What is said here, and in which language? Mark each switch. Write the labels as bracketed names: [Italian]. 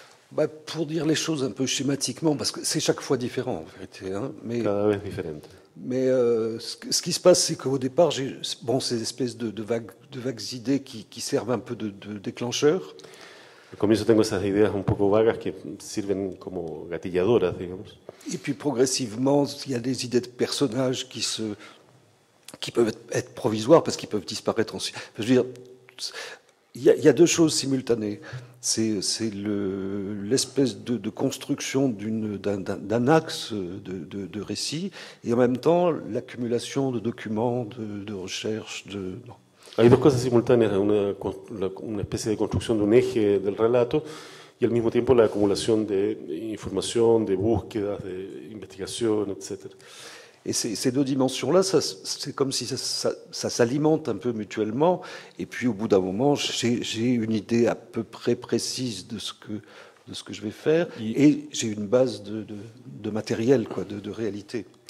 [French] Bah, pour dire les choses un peu schématiquement, parce que c'est chaque fois différent, en fait. Hein, [Spanish] mais, cada vez diferente. [French] Mais ce qui se passe, c'est qu'au départ, j'ai bon, ces espèces de vagues idées qui servent un peu de déclencheur. [Spanish] Au comienzo, tengo esas ideas un poco vagas que sirven como gatilladoras, digamos. [French] Et puis progressivement, il y a des idées de personnages qui peuvent être provisoires parce qu'ils peuvent disparaître ensuite. Je veux dire, il y a deux choses simultanées. C'est l'espèce de construction d'un axe de récit et en même temps l'accumulation de documents, de recherches, de... Non. [Spanish] Hay dos cosas simultáneas, una especie de construcción de un eje del relato y al mismo tiempo la acumulación de información, de búsquedas, de investigación, etc. [French] Et ces deux dimensions-là, c'est comme si ça s'alimente un peu mutuellement et puis au bout d'un moment, j'ai une idée à peu près précise de ce que je vais faire et j'ai une base de matériel, quoi, de réalité.